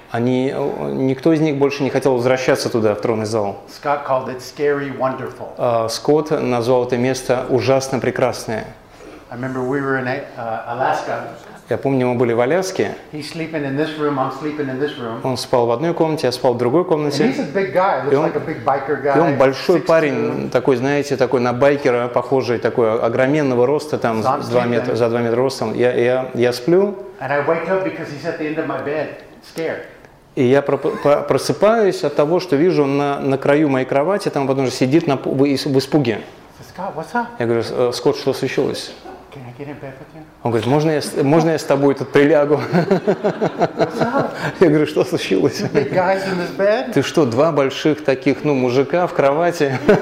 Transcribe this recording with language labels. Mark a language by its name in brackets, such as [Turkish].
[Russian] Никто из них больше не хотел возвращаться туда, в тронный зал. [English] Scott called it scary, wonderful. [Russian] Скотт назвал это место ужасно прекрасное. [English] I remember we were in Alaska. [Russian] Я помню, мы были в Аляске. [English] He's sleeping in this room, I'm sleeping in this room. [Russian] Он спал в одной комнате, я спал в другой комнате. [English] He's a big guy, looks like a big biker guy. [Russian] И он большой парень, такой, знаете, такой на байкера похожий, такой огроменного роста, там за 2 метра ростом. Я сплю. [English] And I wake up because he's at the end of my bed, scared. [Russian] И я просыпаюсь от того, что вижу на краю моей кровати, там потом же сидит в испуге. [English] Scott, what's up? [Russian] Я говорю, Скотт, что случилось? Он говорит, можно я с тобой тут прилягу? Я говорю, что случилось? Ты что, два больших таких, мужика в кровати?